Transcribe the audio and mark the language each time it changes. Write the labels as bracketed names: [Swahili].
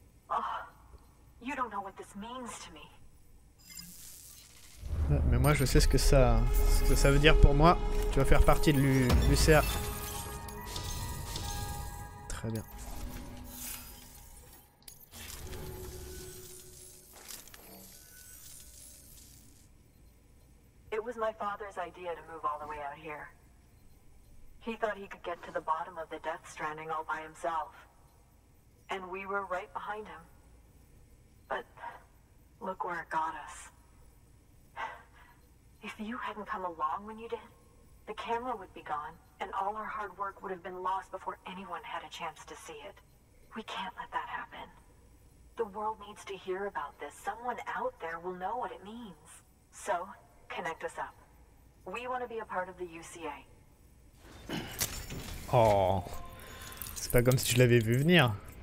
[English] Oh, you don't know what this means to me. [French] Mais moi, je sais ce que ça veut dire pour moi. Tu vas faire partie de l'UCA. Très bien. [English] Idea to move all the way out here. He thought he could get to the bottom of the Death Stranding all by himself. And we were right behind him. But look where it got us. If you hadn't come along when you did, the camera would be gone, and all our hard work would have been lost before anyone had a chance to see it. We can't let that happen. The world needs to hear about this. Someone out there will know what it means. So, connect us up. We want to be a part of the UCA. Oh. [French] C'est pas comme si je l'avais vu venir. Oh.